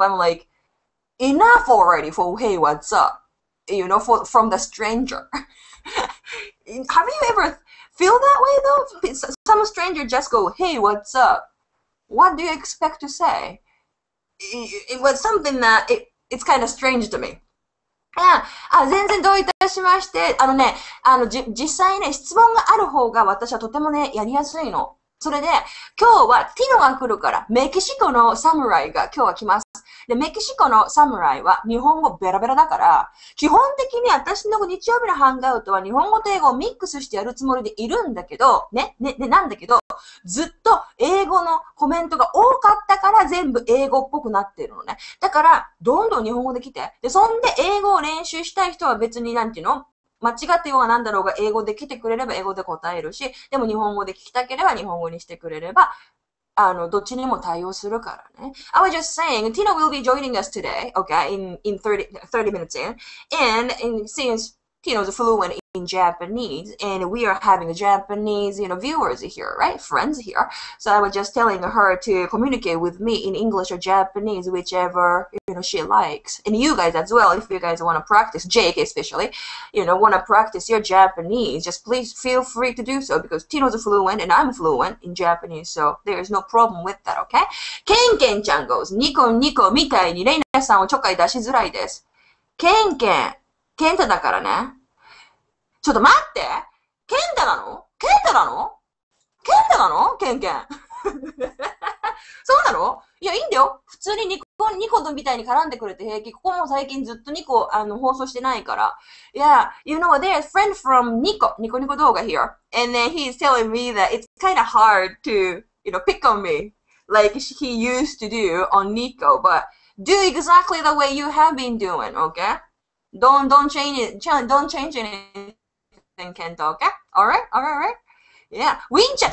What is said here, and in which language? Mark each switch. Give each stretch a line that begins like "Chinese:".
English: I'm like, enough already for hey, what's up? You know, from the stranger. Have you ever feel that way, though? Some stranger just go, hey, what's up? What do you expect to say? It was something that it's kind of strange to me.
Japanese: あ、全然どういたしまして。実際ね、質問がある方が私はとてもね、やりやすいの。それで、今日はティノが来るから、メキシコのサムライが今日は来ます。で、メキシコのサムライは日本語ベラベラだから、基本的に私の日曜日のハングアウトは日本語と英語をミックスしてやるつもりでいるんだけど、ね、なんだけど、ずっと英語のコメントが多かったから全部英語っぽくなってるのね。だから、どんどん日本語で来て、で、そんで英語を練習したい人は別になんていうの? 間違ってようが何だろうが英語で来てくれれば英語で答えるし、でも日本語で聞きたければ日本語にしてくれれば、どっちにも対応するからね。
English: I was just saying, Tina will be joining us today, okay, in 30 minutes in. And since Tina's fluent in Japanese, and we are having Japanese, you know, viewers here, right? Friends here. So I was just telling her to communicate with me in English or Japanese, whichever, you know, she likes. And you guys as well, if you guys want to practice, Jake especially, you know, want to practice your Japanese, just please feel free to do so, because Tino's fluent and I'm fluent in Japanese, so there is no problem with that, okay? Ken Ken chan goes,
Japanese: Niko Niko, みたいにレイナさんをちょっかい出しづらいです。 Ken Ken, ケンタだからね。ちょっと待って!ケンタなの?ケンタなの?ケンタなの? ケンケン。そうなの?いや、いいんだよ。普通にニコみたいに絡んでくれて平気。ここも最近ずっとニコ、放送してないから。
English: Yeah, you know, there's a friend from Niko, ニコニコ動画 here. And then he's telling me that it's kind of hard to, you know, pick on me like he used to do on Niko, but do exactly the way you have been doing, okay? Don't change anything, Kento, okay? Alright? Yeah. Winchan!